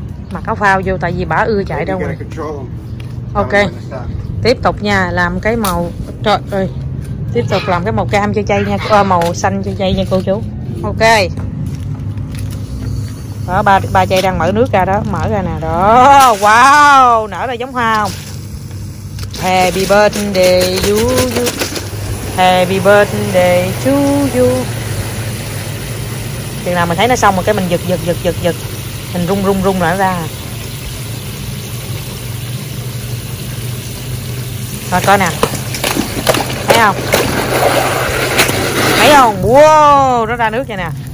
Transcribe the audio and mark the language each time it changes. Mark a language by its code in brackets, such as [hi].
[vi] Mặc áo phao vô, tại vì bả ưa chạy đâu rồi. Ok, tiếp tục nha, làm cái màu. Trời ơi, tiếp tục làm cái màu cam cho chay nha, màu xanh cho chay nha cô chú. Ok. Đó, ba chay đang mở nước ra đó, mở ra nè, đó, wow, nở ra giống hoa không? [en] Happy birthday to you, happy birthday to you. [vi] Chừng nào mình thấy nó xong rồi cái mình giật, mình rung nở ra. Rồi coi nè, thấy không, wow, nó ra nước vậy nè.